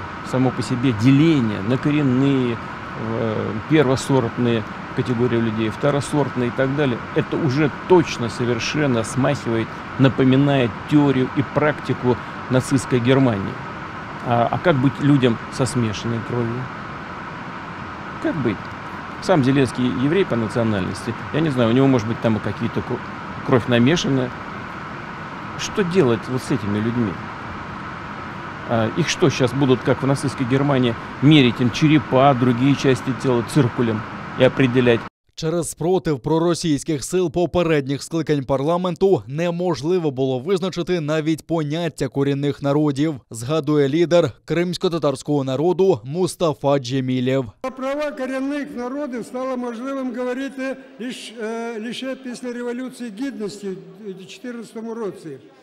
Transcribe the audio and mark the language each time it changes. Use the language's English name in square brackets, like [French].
[Russian] Само по себе [Ukrainian] деління на корінні, первосортні категорії людей, второсортні і так далі, це вже точно [Russian] совершенно [Ukrainian] смахує, напоминає теорію і практику нацистської Германії. А як бути людям [Russian] со смешаною [Ukrainian] кров'ю? Як бути? Сам Зеленський єврей по національності. Я не знаю, у нього може бути там якісь кров намішана. Що робити [Russian] вот [Ukrainian] з цими людьми? [Russian] Их что, сейчас будут, как в нацистской Германии, мерить им черепа, другие части тела циркулем и определять? [Ukrainian] Через спротив проросійських сил попередніх скликань парламенту неможливо було визначити навіть поняття корінних народів, згадує лідер кримсько-татарського народу Мустафа Джемілєв. Права корінних народів стало можливим говорити лише після Революції Гідності в 2014 році.